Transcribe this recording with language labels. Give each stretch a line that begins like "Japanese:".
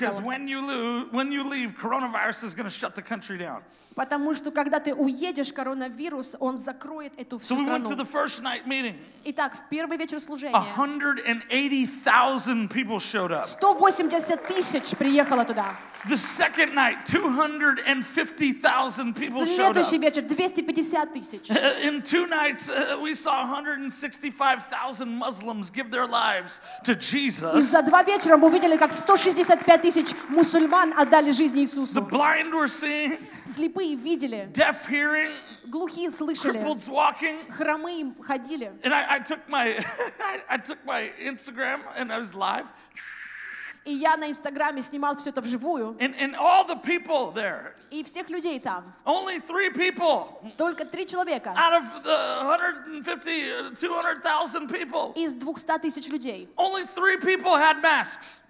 English: Because when you leave, coronavirus is going to shut the country down.
Russian: Потому что когда ты уедешь, коронавирус, он закроет эту всю страну.
English: So we went to the first night meeting.
Russian: Итак, в первый вечер служения.
English: 180,000 people showed up.
Russian: 180,000 приехало туда.
English: The second night, 250,000 people showed up.
Russian: Следующий вечер 250,000.
English: In two nights, we saw 165,000 Muslims give their lives to Jesus.
Russian: За два вечера мы увидели, как 165,000 мусульман отдали жизнь Иисусу.
English: The blind were seeing.
Russian: Слепые видели.
English: Deaf hearing.
Russian: Глухие слышали.
English: Crippled walking.
Russian: Хромые ходили.
English: And I took my Instagram and I was live.
Russian: И я на Инстаграме снимал все это вживую.
English: And all the people there.
Russian: И всех людей там.
English: Only three people.
Russian: Только три человека.
English: Out of the 200,000 people.
Russian: Из 200,000 людей.
English: Only three people had masks.